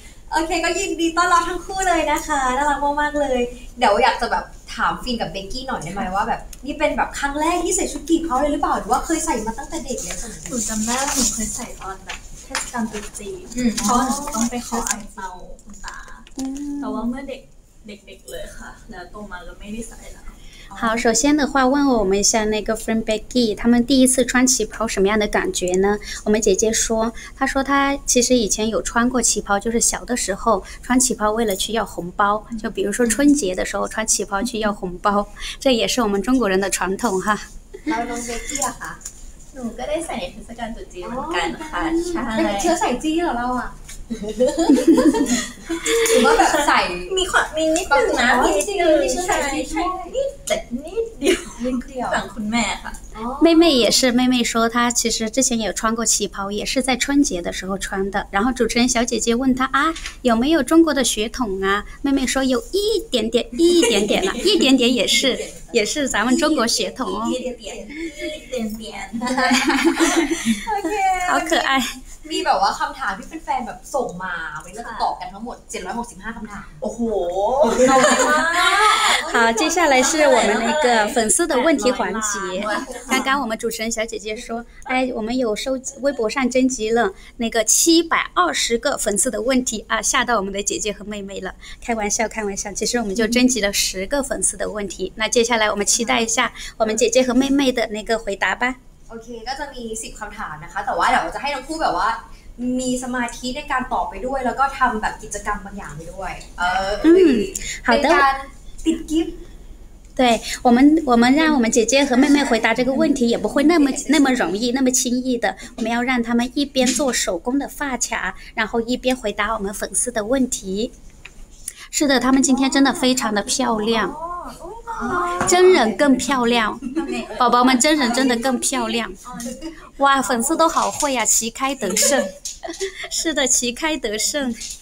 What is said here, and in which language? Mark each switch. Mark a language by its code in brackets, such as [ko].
[th] โอเคก็ยินดีต้อนรับทั้งคู่เลยนะคะน่ารักมากๆเลยเดี๋ยวอยากจะแบบถามฟินกับเบกกี้หน่อยได้ไหมว่าแบบนี่เป็นแบบครั้งแรกที่ใส่ชุดกี่เขาเลยหรือเปล่าหรือว่าเคยใส่มาตั้งแต่เด็กแล้ว หนูจำได้หนูเคยใส่ตอนแบบเทศกาลตรุษจีนเพราะต้องไปขออังเปาคุณตาแต่ว่าเมื่อเด็กเลยค่ะแล้วโตมาแล้วไม่ได้ใส่แล้ว [zh] 好，首先的话，问我们一下那个 friend Becky， 他们第一次穿旗袍什么样的感觉呢？我们姐姐说，她说她其实以前有穿过旗袍，就是小的时候穿旗袍为了去要红包，就比如说春节的时候穿旗袍去要红包，这也是我们中国人的传统哈。 [th] แล้วน้องเบกกี้อะคะ？ หนู ก็ได้ใส่เทศกาลตรุษจีนเหมือนกันค่ะ。 ใช่。 เธอใส่จีนเหรอเราอะหรือว่าแบบใส่มีความมีนิดนึงนะ มีจริง ใช่ใช่นิดแต่นิดเดียว นิดเดียว ฝั่งคุณแม่ค่ะ [zh] 妹妹也是，妹妹说她其实之前也穿过旗袍，也是在春节的时候穿的。然后主持人小姐姐问她啊，有没有中国的血统啊？妹妹说有一点点，一点点了，一点点也是咱们中国血统哦，一点点，一点点， OK，好可爱。 [th] มีแบบว่าคำถามที่แฟนๆแบบส่งมาไว้แล้วตอบกันทั้งหมด765คำถามโอ้โห เยอะมาก [zh] 好接下来是我们那个粉丝的问题环节刚刚我们主持人小姐姐说哎我们有收集微博上征集了那个720个粉丝的问题啊吓到我们的姐姐和妹妹了开玩笑开玩笑其实我们就征集了10个粉丝的问题那接下来我们期待一下我们姐姐和妹妹的那个回答吧 [th] โอเคก็จะมี10คำถามนะคะแต่ว่าเดี๋ยวจะให้น้องคู่แบบว่ามีสมาธิในการตอบไปด้วยแล้วก็ทำแบบกิจกรรมบางอย่างไปด้วย เป็น การติดกิฟต์ [zh] 对我们让我们姐姐和妹妹回答这个问题也不会那么容易那么轻易的我们要让他们一边做手工的发卡然后一边回答我们粉丝的问题是的他们今天真的非常的漂亮真人更漂亮宝宝们真人真的更漂亮哇粉丝都好会啊旗开得胜是的旗开得胜